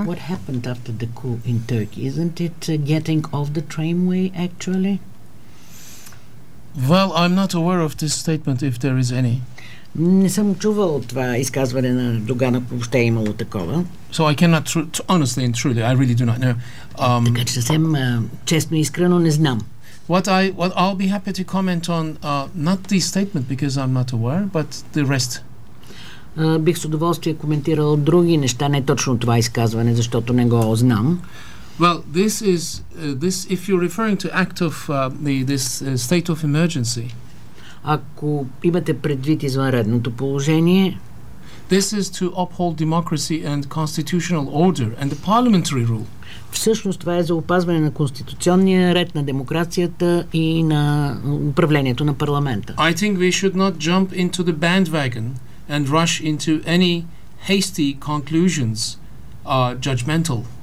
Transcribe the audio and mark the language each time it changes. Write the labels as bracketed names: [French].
[English] What happened after the coup in Turkey? Isn't it getting off the tramway, actually? Well, I'm not aware of this statement, if there is any. [Bulgarian] Не съм чувал това изказване на Ердоган, ако въобще е имало такова. [English] So I cannot honestly and truly, I really do not know. [Bulgarian] Така че съвсем честно и искрено не знам. [English] I'll be happy to comment on not the statement because I'm not aware, but the rest. [Bulgarian] Бих с удоволствие коментирал други неща, не точно това изказване, защото не го знам. [English] Well, this is this if you're referring to act of this state of emergency. [Bulgarian] Ако имате предвид извънредното положение, [English] this is to uphold democracy and constitutional order and the parliamentary rule. [Bulgarian] Всъщност това е за опазване на конституционния ред, на демокрацията и на управлението на парламента. [English] I think we should not jump into the bandwagon and rush into any hasty conclusions, judgmental.